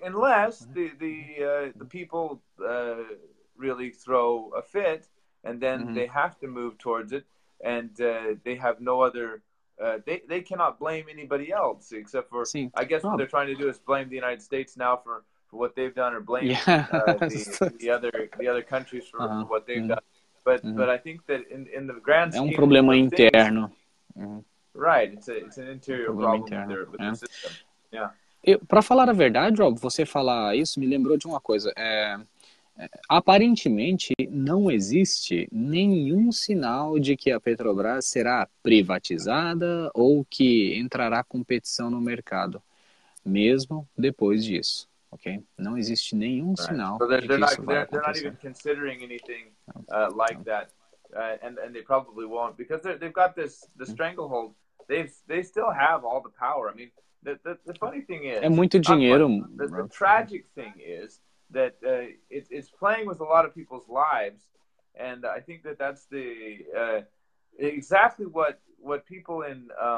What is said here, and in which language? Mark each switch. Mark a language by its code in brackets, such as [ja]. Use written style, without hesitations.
[en] Unless the people really throw a fit, and then they have to move towards it, and they have no other, they cannot blame anybody else except for, I guess, what they're trying to do is blame the United States now for what they've done, or blame the other countries for what they've done. But but I think that in the grand scheme, [pt] é problema interno. [en] Right, it's an interior problem with the system. Yeah. [pt] Para falar a verdade, Rob, você falar isso me lembrou de uma coisa. Aparentemente, não existe nenhum sinal de que a Petrobras será privatizada ou que entrará competição no mercado, mesmo depois disso, ok? Não existe nenhum sinal de que isso vai acontecer. [en] They're not even considering anything like that, and they probably won't, because they've got the stranglehold. They still have all the power. I mean, The funny thing is, [pt] é muito dinheiro. [en] The tragic thing is that it's playing with a lot of people's lives, and I think that's the exactly what people in